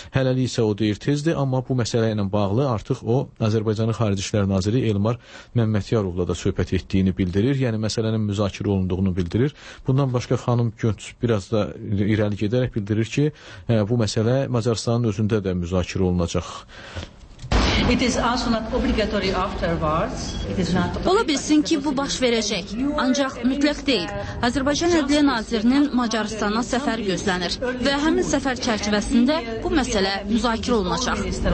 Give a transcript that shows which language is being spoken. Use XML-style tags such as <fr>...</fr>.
<az>Hələlik isə o deyir tezdir, amma bu məsələ ilə bağlı artıq o Azərbaycanın Xarici İşlər Naziri Elmar Məmmədyarovla da söhbət etdiyini bildirir, yəni məsələnin müzakirə olunduğunu bildirir. Bundan başqa xanım Göntz biraz da irəli gedərək bildirir ki, bu məsələ Macarıstanın özündə də müzakirə olunacaq.</az> <en>It is also not obligatory afterwards. It is not obligatory.</en> <az>Ola bilsin ki, bu baş verəcək. Ancaq mütləq deyil. Azərbaycan Ədliyyə Nazirinin Macarıstana səfər gözlənir və həmin səfər çərçivəsində bu məsələ müzakirə olunacaq.</az>